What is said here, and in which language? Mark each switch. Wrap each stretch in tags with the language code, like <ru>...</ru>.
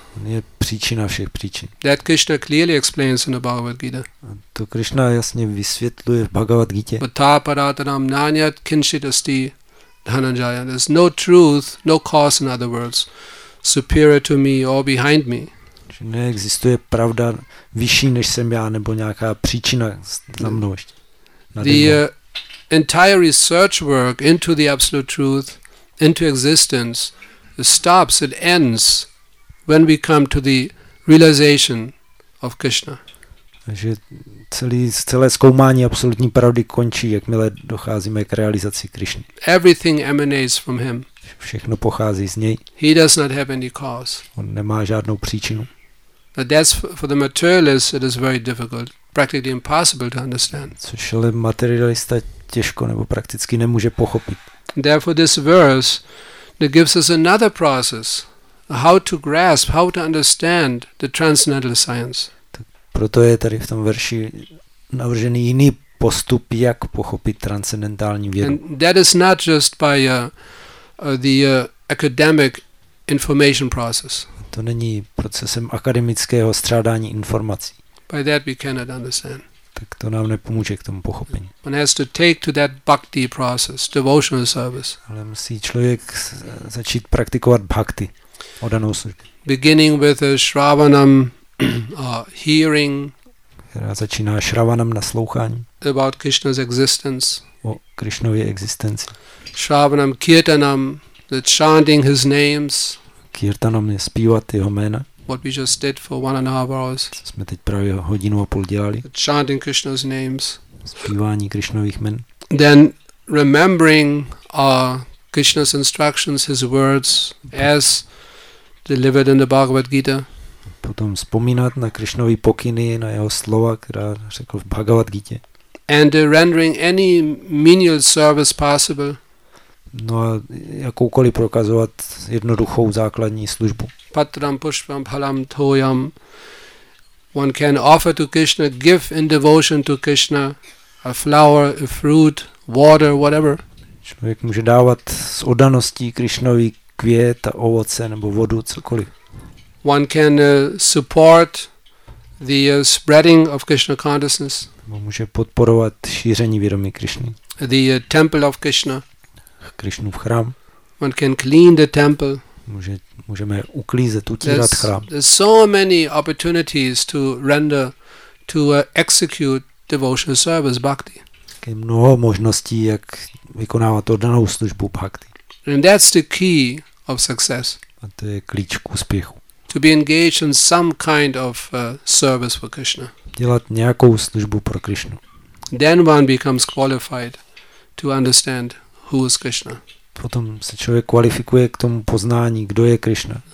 <cs>On je příčina všech příčin.</cs> <en>That Krishna clearly explains in the Bhagavad Gita.</en> <cs>A to Krishna jasně vysvětluje v Bhagavad Gita.</cs> <sa>Vatāparātaram nānyat kinshit asti dhananjaya.</sa> <en>There's no truth, no cause, in other words, superior to me or behind me.</en> <cs>Že neexistuje pravda vyšší než jsem já nebo nějaká příčina za mnou ještě.</cs> <en>The entire research work into the absolute truth, into existence, stops, it ends when we come to the realization of Krishna.</en> <cs>Takže celé zkoumání absolutní pravdy končí, jakmile docházíme k realizaci Krishny.</cs> <en>Everything emanates from him.</en> <cs>Všechno pochází z něj.</cs> <en>He does not have any cause.</en> <cs>On nemá žádnou příčinu.</cs> <en>But that's for the materialist, it is very difficult. Practically impossible to understand.</en> <cs>Což ale materialista těžko nebo prakticky nemůže pochopit.</cs> <en>Therefore this verse that gives us another process how to grasp, how to understand the transcendental science.</en> <cs>Tak proto je tady v tom verši navržený jiný postup, jak pochopit transcendentální vědu.</cs> <en>And that is not just by the academic information process.</en> <cs>To není procesem akademického střádání informací.</cs> <en>By that we cannot understand.</en> <cs>Tak to nám nepomůže k tomu pochopení.</cs> <en>One has to take to that bhakti process, devotional service.</en> <cs>Ale musí člověk začít praktikovat bhakti, oddanou službu.</cs> <en>Beginning with a shravanam, hearing.</en> <cs>Která začíná shravanam, naslouchání.</cs> <en>About Krishna's existence.</en> <cs>O Krishnově existenci.</cs> <en>Shravanam kirtanam, the chanting his names.</en> <cs>Kirtanam je zpívat jeho jména.</cs> <en>What we just did for 1.5 hours.</en> <cs>Co jsme teď právě hodinu a půl dělali.</cs> <en>The chanting Krishna's names.</en> <cs>Zpívání Krishnových jmen.</cs> <en>Then remembering Krishna's instructions, his words, as delivered in the Bhagavad Gita.</en> <cs>Potom vzpomínat na Krishnovy pokyny, na jeho slova, která řekl v Bhagavad Gita.</cs> <en>And rendering any menial service possible.</en> <cs>No a jakoukoliv prokazovat jednoduchou základní službu.</cs> <sa>Patram, pushpam, phalam, toyam.</sa> <en>One can offer to Krishna, give in devotion to Krishna, a flower, a fruit, water, whatever.</en> <cs>Člověk může dávat s oddaností Krishnovi květ a ovoce nebo vodu, cokoliv.</cs> <en>One can support the spreading of Krishna consciousness.</en> <cs>Může podporovat šíření vědomí Krishny.</cs> <en>The temple of Krishna.</en> <cs>Krishnův chrám.</cs> <en>One can clean the temple.</en> <cs>Můžeme uklízet, utírat chrám.</cs> <en>There's so many opportunities to render, to execute devotional service, bhakti.</en> <cs>Je mnoho možností, jak vykonávat oddanou službu bhakti.</cs> <en>And that's the key of success.</en> <cs>A to je klíč k úspěchu.</cs> <en>To be engaged in some kind of service for Krishna.</en> <cs>Dělat nějakou službu pro Krishnu.</cs> <en>Then one becomes qualified to understand who is Krishna.</en> <cs>Potom se člověk kvalifikuje k tomu poznání, kdo je Krishna.</cs>